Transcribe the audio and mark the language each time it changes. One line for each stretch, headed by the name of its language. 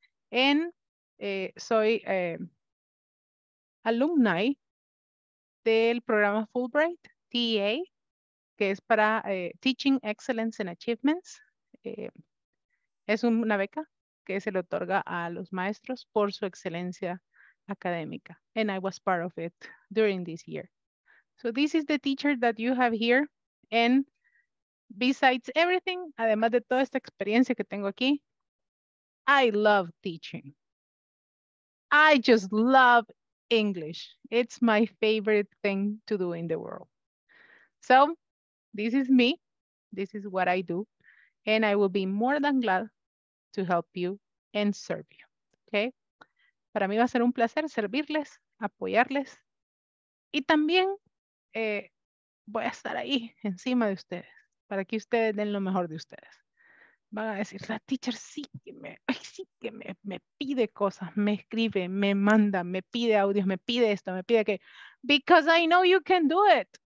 Spanish: And soy alumni del programa Fulbright, TEA, que es para Teaching Excellence and Achievements. Es una beca que se le otorga a los maestros por su excelencia académica.
English: And I was part of it during this year. So this is the teacher that you have here. And besides everything,
Spanish: además de toda esta experiencia que tengo aquí,
English: I love teaching. I just love English. It's my favorite thing to do in the world. So this is me. This is what I do. And I will be more than glad to help you and serve you, okay?
Spanish: Para mí va a ser un placer servirles, apoyarles, y también voy a estar ahí encima de ustedes para que ustedes den lo mejor de ustedes. Van a decir, la teacher sí que me pide cosas, me escribe, me manda, me pide audios, me pide esto, me pide que,
English: because I know you can do it.